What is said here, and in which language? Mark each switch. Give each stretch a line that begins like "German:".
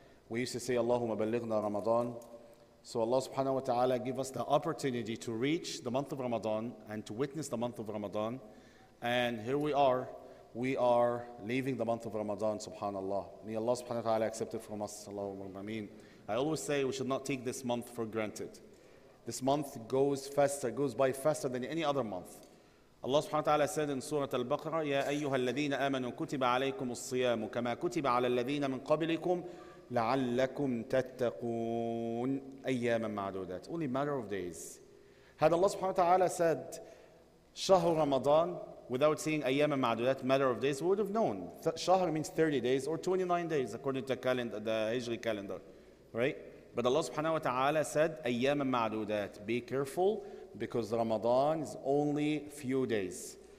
English: We used to say, Allahumma balighna Ramadan. So Allah subhanahu wa ta'ala give us the opportunity to reach the month of Ramadan and to witness the month of Ramadan, and here we are. We are leaving the month of Ramadan, subhanAllah. May Allah subhanahu wa ta'ala accept it from us. I always say we should not take this month for granted. This month goes by faster than any other month. Allah subhanahu wa ta'ala said in Surah Al-Baqarah,
Arabic: يَا أَيُّهَا الَّذِينَ آمَنُوا كُتِبَ عَلَيْكُمُ الصِّيَامُ كَمَا كُتِبَ عَلَى الَّذِينَ مِنْ قَبْلِكُمْ لَعَلَّكُمْ تَتَّقُونَ أَيَّامًا مَعْدُودَاتٍ.
English: Only a matter of days. Had Allah subhanahu wa ta'ala said,
Arabic: شَهْرُ رَمَضَانَ,
English: without seeing ayyam and ma'dudat, matter of days, we would have known. Shahr means 30 days or 29 days according to the Hijri calendar, right? But Allah subhanahu wa ta'ala said ayyam and ma'dudat. Be careful, because Ramadan is only few days.